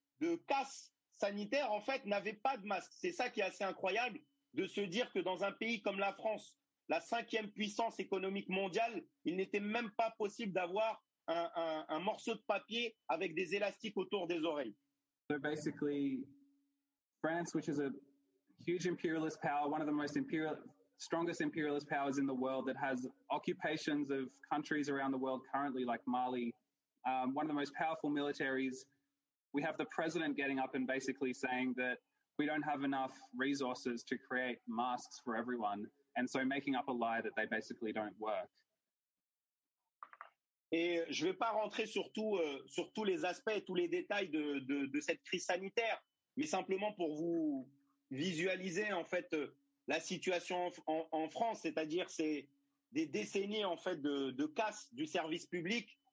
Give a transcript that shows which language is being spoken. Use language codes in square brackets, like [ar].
[fr] de casse sanitaire, en fait, n'avaient pas de masque. C'est ça qui est assez incroyable, de se dire que dans un pays comme la France, la cinquième puissance économique mondiale, il n'était même pas possible d'avoir un morceau de papier avec des élastiques autour des oreilles. [en] So basically, France, which is a huge imperialist power, one of the most strongest imperialist powers in the world, that has occupations of countries around the world currently, like Mali, one of the most powerful militaries. We have the president getting up and basically saying that we don't have enough resources to create masks for everyone, and so making up a lie that they basically don't work. [fr] Et je ne vais pas rentrer sur tous les aspects, tous les détails de cette crise sanitaire, mais simplement pour vous visualiser en fait la situation en France, c'est-à-dire c'est des décennies en fait de casse du service public.